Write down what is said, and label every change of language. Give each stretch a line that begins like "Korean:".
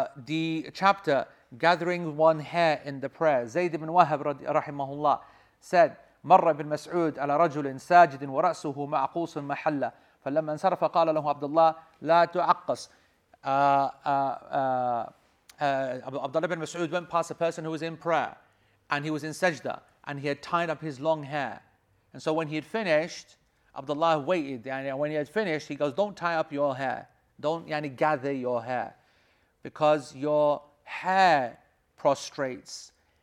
English: The chapter, gathering one hair in the prayer.
Arabic: Zayd ibn Wahab, rahimahullah, said, مر ابن مسعود على رجل ساجد ورأسه معقوس محلة فلما انصرف قال له عبد الله لا تعقص.
English: Abdullah ibn Mas'ud went past a person who was in prayer and he was in sajda and he had tied up his long hair. And so when he had finished, Abdullah waited. And when he had finished, he goes, don't tie up your hair. Don't yani gather your hair because your hair prostrates.